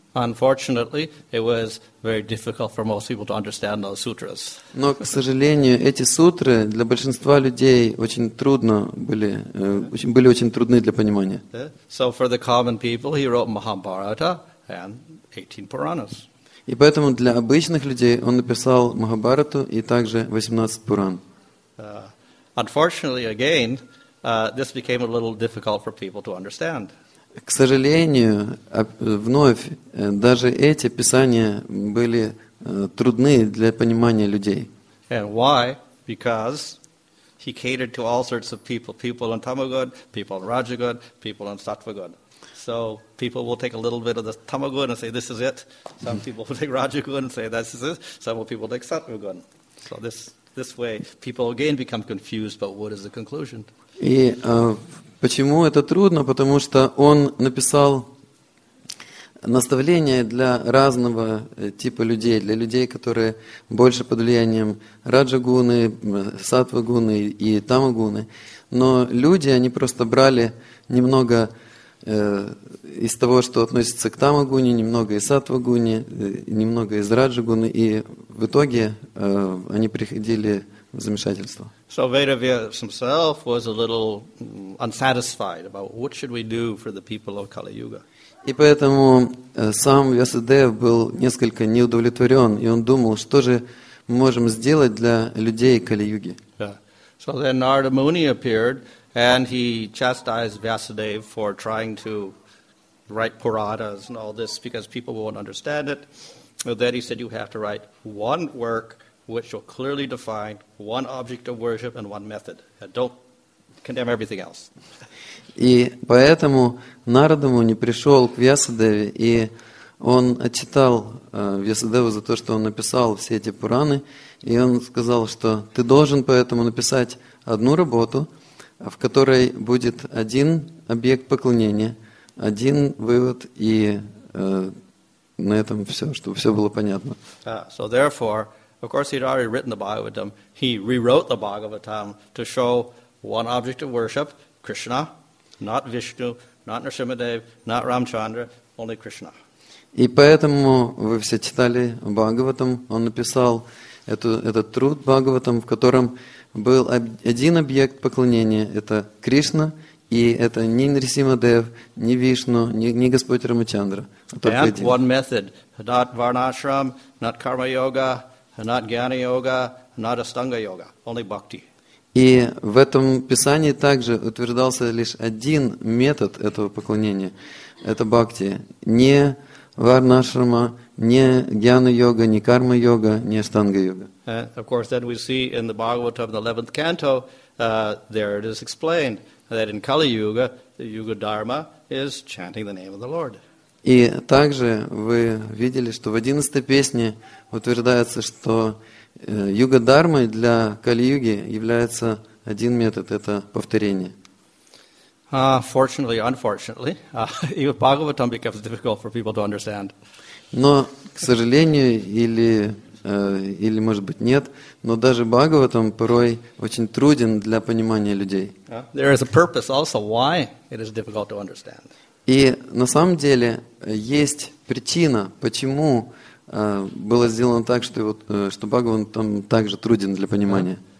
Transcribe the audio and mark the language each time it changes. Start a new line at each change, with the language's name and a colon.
English: Unfortunately, it was very difficult for most people to understand those sutras.
Russian: Но, к сожалению, эти сутры для большинства людей были очень трудны для понимания.
English: So for the common people, he wrote Mahabharata and 18 Puranas.
Russian: И поэтому для обычных людей он написал Махабхарату и также 18 Пуран.
English: Unfortunately, again, this became a little difficult for people to understand.
Russian: к сожалению, вновь даже эти писания были трудны для понимания людей.
English: And why? Because he catered to all sorts of people. People in Tamagod, people in Rajagod, people in Sattvagod. So people will take a little bit of the Tamagod and say, this is it. Some people will take Rajagod and say, this is it. Some people take Sattvagod. So this way, people again become confused, but what is the conclusion?
Russian: И почему это трудно? Потому что он написал наставления для разного типа людей, для людей, которые больше под влиянием Раджа-гуны, Сатва-гуны и Тама-гуны. Но люди, они просто брали немного из того, что относится к Тама-гуне, немного из Сатва-гуны, немного из Раджа-гуны, и в итоге они приходили в замешательство.
English: So Vedavyasa himself was a little unsatisfied about what should we do for the people of Kali-yuga.
Russian: И поэтому сам Вьясадев был несколько неудовлетворен, и он думал, что же мы можем сделать для людей Кали-юги. Yeah.
English: So then Narada Muni appeared, and he chastised Vyasadev for trying to write Puranas and all this, because people won't understand it. But then he said, you have to write one work which will clearly define one object of worship and one method. And don't condemn everything else.
Russian: И поэтому Нарада Муни пришел к Вьясадеве, и он отчитал Вьясадеву за то, что он написал все эти Пураны, и он сказал, что ты должен поэтому написать одну работу, в которой будет один объект поклонения, один вывод, и на этом все, чтобы все было понятно.
English: So therefore, of course, he'd already written the Bhagavatam. He rewrote the Bhagavatam to show one object of worship, Krishna. Not Vishnu, not Narsimhadev, not Ramchandra, only Krishna.
Russian: И поэтому вы все читали Бхагаватам. Он написал этот труд Бхагаватам, в котором был один объект поклонения. Это Кришна, и это ни Нарсимхадев, ни Вишну, ни Господь Рамачандра.
English: And one method. Not Varnashram, not Karma Yoga, not Jnana Yoga, not Astanga Yoga, only Bhakti.
Russian: И в этом писании также утверждался лишь один метод этого поклонения. Это бхакти. Не варнашрама, не гьяна-йога, не карма-йога, не аштанга-йога.
English: Of course, then we see in the Bhagavatam, the 11th canto, there it is explained that in Kali-yuga, the yuga-dharma is chanting the name of the Lord.
Russian: И также вы видели, что в 11-й песне утверждается, что юга-дармой для Кали-юги является один метод, это повторение.
English: Fortunately, unfortunately, even Bhagavatam becomes difficult for people to understand.
Russian: Но, к сожалению, или может быть нет, но даже Бхагаватам порой очень труден для понимания людей.
English: There is a purpose also why it is difficult to understand.
Russian: И на самом деле есть причина, почему было сделано так, что Бхагаван там также труден для понимания.